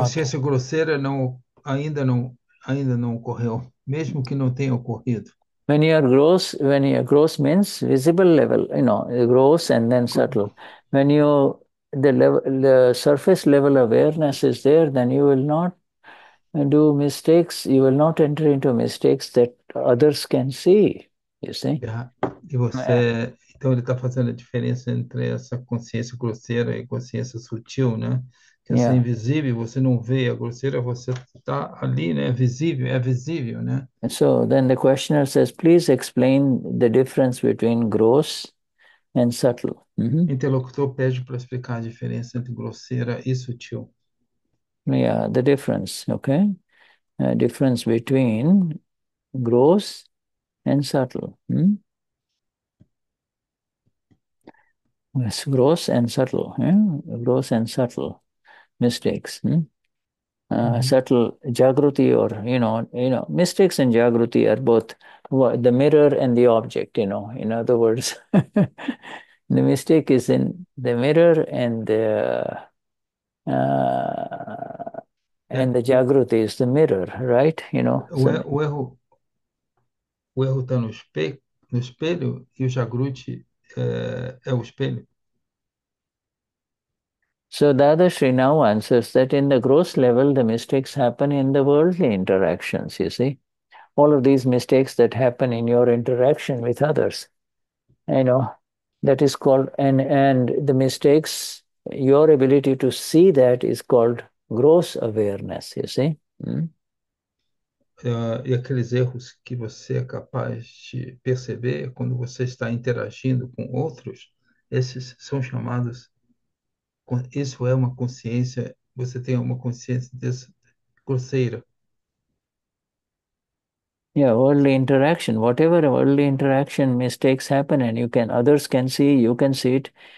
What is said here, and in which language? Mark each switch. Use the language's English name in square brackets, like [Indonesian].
[Portuguese] consciência grosseira ainda não ocorreu, mesmo que não tenha ocorrido. [English] When you are gross means visible level, gross and then subtle. When you the surface level awareness is there, then you will not do mistakes. You will not enter into mistakes that others can see, you see. [Portuguese] E você, então ele está fazendo a diferença entre essa consciência grosseira e consciência sutil, né? Que essa invisível, você não vê a grosseira, você está ali, né? Visível, é visível, né? [English] And so then the questioner says, please explain the difference between gross and subtle. [Portuguese] Interlocutor pede para explicar a diferença entre grosseira e sutil. [English] Yeah, the difference, okay? Difference between gross and subtle. It's gross and subtle. Gross and subtle mistakes. Subtle jagruti, or mistakes in jagruti are both the mirror and the object. In other words, the mistake is in the mirror, and the jagruti is the mirror, right? So. [Portuguese] O erro está no espelho e o jagrute é o espelho. [English] So Dada Sri now answers that in the gross level, the mistakes happen in the worldly interactions, you see. All of these mistakes that happen in your interaction with others, that is called, and the mistakes, your ability to see that is called gross awareness, you see. [Portuguese] E aqueles erros que você é capaz de perceber quando você está interagindo com outros, esses são chamados. Isso é uma consciência, você tem uma consciência dessa grosseira. [English] Yeah, worldly interaction. Whatever worldly interaction mistakes happen, and others can see, you can see it.